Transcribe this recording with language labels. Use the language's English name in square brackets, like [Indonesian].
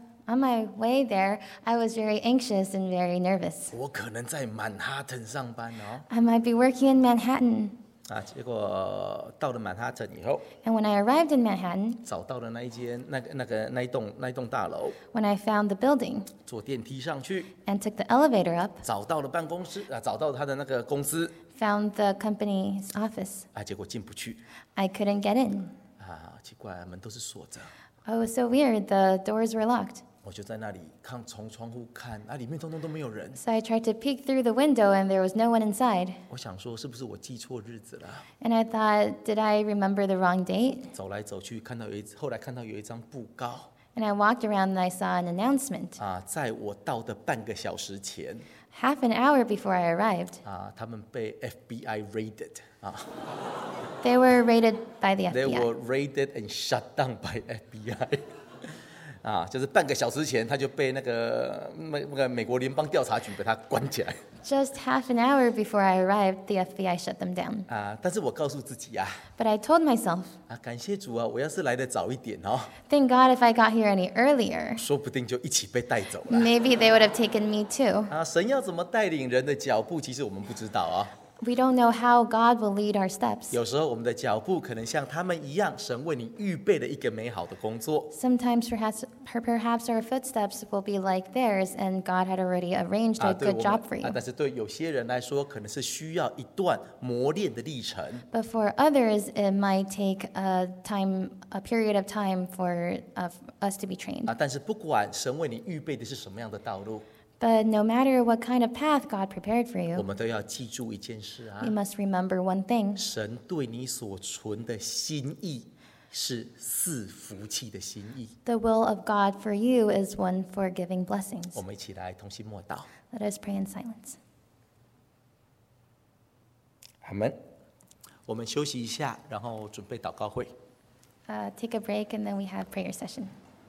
[English] On my way there, I was very anxious and very nervous. [Chinese] 我可能在曼哈顿上班哦。 [English] I might be working in Manhattan. [Chinese] 结果到了曼哈顿以后。 [English] And when I arrived in Manhattan, [Chinese] 找到了那一栋大楼。 [English] When I found the building, [Chinese] 坐电梯上去。 [English] And took the elevator up, [Chinese] 找到了办公室啊，找到了他的那个公司。 [English] Found the company's office. [Chinese] 结果进不去。 [English] I couldn't get in. [Chinese] 奇怪，门都是锁着。 [English] Oh, so weird. The doors were locked. [Chinese] 我就在那里看，从窗户看，里面通通都没有人。 [English] So I tried to peek through the window, and there was no one inside. [Chinese] 我想说，是不是我记错日子了 [English] ？And I thought, did I remember the wrong date? [Chinese] 走来走去，后来看到有一张布告。 [English] And I walked around, and I saw an announcement. [Chinese] 在我到的半个小时前。 [English] Half an hour before I arrived, they were FBI raided. They were raided by the FBI. They were raided and shut down by FBI. [Chinese] 啊，就是半个小时前他就被那个美国联邦调查局把他关起来。 [English] Just half an hour before I arrived, the FBI shut them down. [Chinese] 啊，但是我告诉自己啊。 [English] But I told myself. [Chinese] 啊，感谢主啊，我要是来得早一点哦。 [English] Thank God if I got here any earlier. [Chinese] 说不定就一起被带走了。 [English] Maybe they would have taken me too. [Chinese] 啊，神要怎么带领人的脚步，其实我们不知道啊。 [English] We don't know how God will lead our steps. [Chinese] 有时候我们的脚步可能像他们一样，神为你预备了一个美好的工作。 [English] Sometimes perhaps our footsteps will be like theirs, and God had already arranged a good job for you. [Chinese] 但是对有些人来说，可能是需要一段磨练的历程。 [English] But for others, it might take a period of time for us to be trained. [Chinese] 但是不管神为你预备的是什么样的道路。 [English] But no matter what kind of path God prepared for you, [Chinese] 我们都要记住一件事啊。 [English] You must remember one thing. [Chinese] 神对你所存的心意是赐福气的心意。 [English] The will of God for you is one for giving blessings. [Chinese] 我们一起来同心默祷。 [English] Let us pray in silence. [Chinese] 阿们。我们休息一下，然后准备祷告会。 [English] Take a break and then we have prayer session.